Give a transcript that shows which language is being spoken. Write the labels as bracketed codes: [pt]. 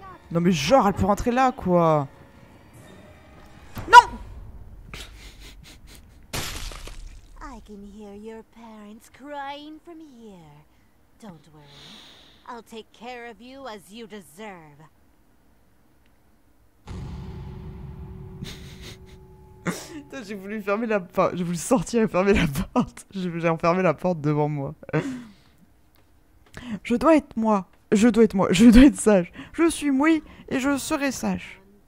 [fr] Non mais genre elle peut rentrer là quoi. Non. [en] I can hear your parents crying from here. Don't worry. I'll take care of you as you deserve. [fr] J'ai voulu fermer la porte. J'ai voulu sortir et fermer la porte. J'ai enfermé la porte devant moi. Je dois être moi. Je dois être moi. Je dois être sage. Je suis moi et je serai sage.